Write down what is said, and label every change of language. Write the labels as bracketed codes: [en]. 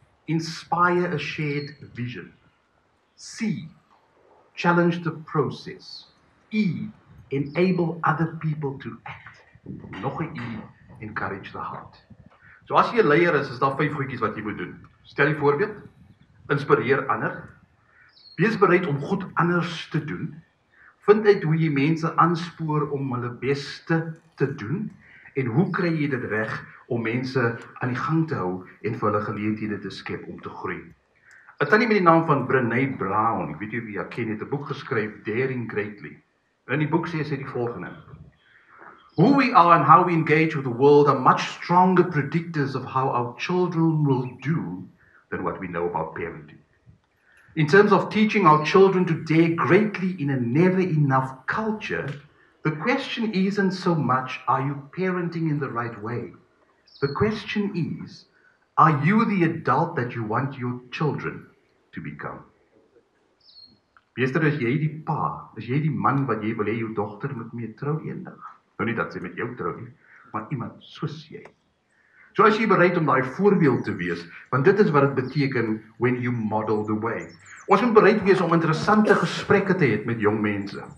[en] Inspire a shared vision. C. Challenge the process. E. Enable other people to act. [af] Nog 'n E. [en] Encourage the heart. [af] So as jy 'n leier is, is daar 5 goedjies wat jy moet doen. Stel 'n voorbeeld. Inspireer ander. Wees bereid om goed anders te doen. Vind uit hoe jy mense aanspoor om hulle beste te doen. En hoe kry jy dit reg om mense aan die gang te hou en vir hulle geleenthede te skep om te groei. 'N Tannie met die naam van Brené Brown, ek weet jy wie jy ken, het 'n boek geskryf, Daring Greatly. In die boek sê sy die volgende. [en] Who we are and how we engage with the world are much stronger predictors of how our children will do than what we know about parenting. In terms of teaching our children to dare greatly in a never enough culture, the question isn't so much, are you parenting in the right way? The question is, are you the adult that you want your children to become? [af] Meester, is jy die pa, is jy die man wat jy wil hê jou dogter moet mee trou eendag? Nou nie dat sy met jou trou nie, maar iemand soos jy. So as jy bereid om daai voorbeeld te wees, want dit is wat het beteken [en] when you model the way. [af] Ons moet bereid wees om interessante gesprekke te hê met jong mense.